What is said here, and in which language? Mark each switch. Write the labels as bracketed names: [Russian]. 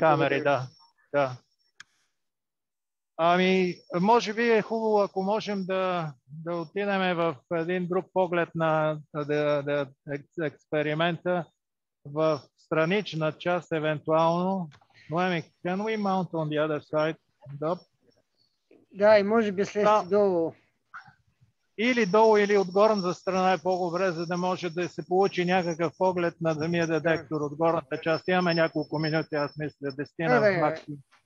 [Bulgarian] Друг тип камери. Ами, може би е хубаво, ако можем да отидем в един друг поглед на експеримента в странична част, евентуално. [English] Ноеми, can we mount on the other side? [Bulgarian] Да, и може би след долу. Или долу, или от горната страна е по-добре, за да може да се получи някакъв поглед на самия детектор от горната част. Имаме няколко минути, аз мисля, десетина максимум.